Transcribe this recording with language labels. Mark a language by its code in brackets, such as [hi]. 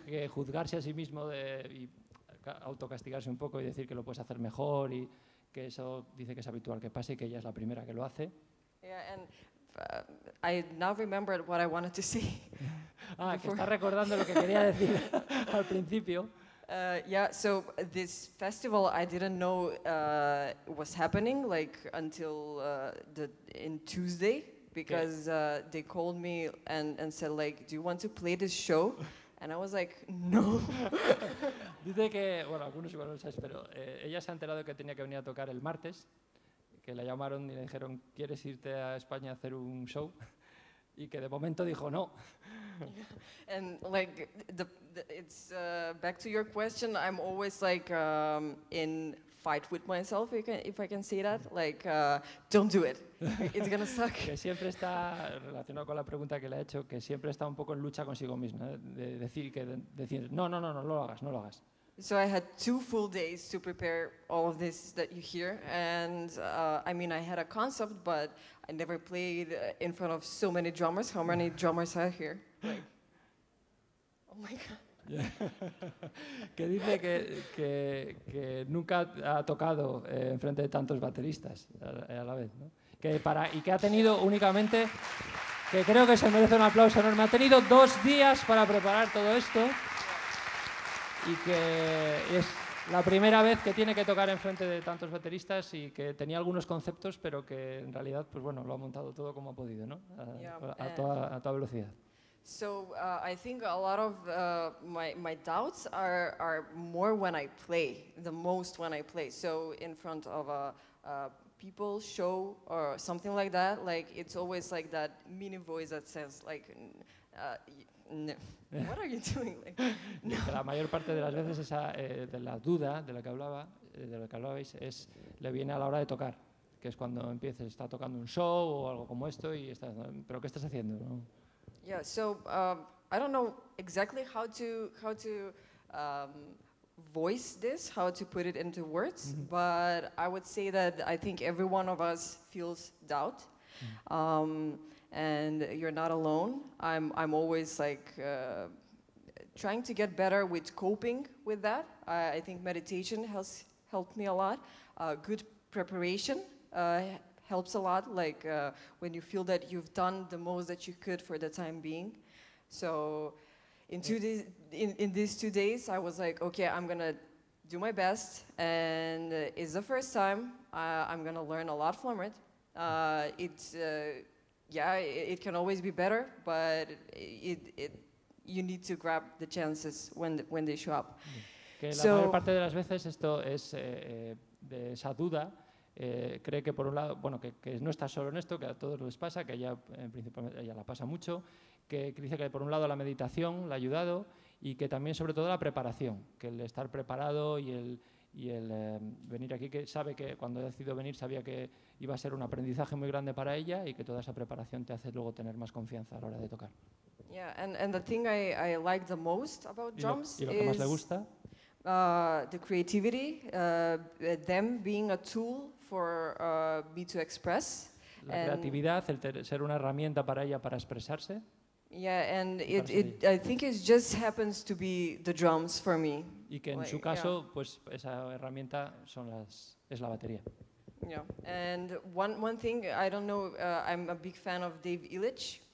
[es] Que juzgarse a sí mismo de autocastigarse un poco y decir que lo puedes hacer mejor y que eso dice que es habitual que pase y que ella es la primera que lo hace. [en] Yeah, and I now remembered what I wanted to say. [es] Ah, que está recordando lo que quería decir al principio. [en] Yeah, so this festival I didn't know was happening like until in Tuesday, because they called me and said like, do you want to play this show? And I was like, no. [es] Dice que, bueno, algunos igual no lo sabes, pero ella se ha enterado que tenía que venir a tocar el martes, que la llamaron y le dijeron, ¿quieres irte a España a hacer un show? Y que de momento dijo no. [en] Yeah. And like, it's back to your question, I'm always like in fight with myself, if I can say that, like, don't do it, it's gonna suck. [es] Que siempre está relacionado con la pregunta que le ha hecho, que siempre está un poco en lucha consigo misma, de decir, no, lo hagas, no lo hagas. [en] So I had two full days to prepare all of this that you hear, and I mean, I had a concept, but I never played in front of so many drummers. How many drummers are here? Like, oh my God. [es] Que dice que nunca ha tocado en frente de tantos bateristas a la vez, ¿no? que ha tenido únicamente, que creo que se merece un aplauso enorme, ha tenido 2 días para preparar todo esto y que es la primera vez que tiene que tocar enfrente de tantos bateristas y que tenía algunos conceptos, pero que en realidad, pues bueno, lo ha montado todo como ha podido, ¿no? A toda velocidad. [en] So I think a lot of my doubts are more when I play, the most when I play. So in front of a people show or something like that, like it's always like that mini voice that says like, what are you doing? Like, no. [es] La mayor parte de las veces esa de la duda de la que hablaba, de la que hablabais, es le viene a la hora de tocar, que es cuando empieces, está tocando un show o algo como esto y está, pero ¿qué estás haciendo? ¿No? [en] Yeah, so I don't know exactly how to voice this, how to put it into words, mm-hmm. but I would say that I think every one of us feels doubt, and you're not alone. I'm always like trying to get better with coping with that. I think meditation has helped me a lot. Good preparation. Helps a lot, like when you feel that you've done the most that you could for the time being. So in these 2 days, I was like, okay, I'm gonna do my best, and it's the first time, I'm gonna learn a lot from it. It can always be better, but it you need to grab the chances when they show up. [es] Que la mayor parte de las veces esto es de esa duda. Cree que por un lado, bueno, que no está solo en esto, que a todos les pasa, que ella en principio ella la pasa mucho, que dice que por un lado la meditación la ha ayudado y que también sobre todo la preparación, que el estar preparado y el venir aquí, que sabe que cuando ha decidido venir sabía que iba a ser un aprendizaje muy grande para ella y que toda esa preparación te hace luego tener más confianza a la hora de tocar. [en] Yeah, and the thing I like the most about drums [es] y lo que más le gusta, [en] the creativity, them being a tool for me to express. [es] La creatividad, el ser una herramienta para ella para expresarse. [en] Yeah, and it I think it just happens to be the drums for me. [es] Y que en su caso, pues esa herramienta es la batería. [en] Yeah, and one thing, I don't know, I'm a big fan of Dave Illich.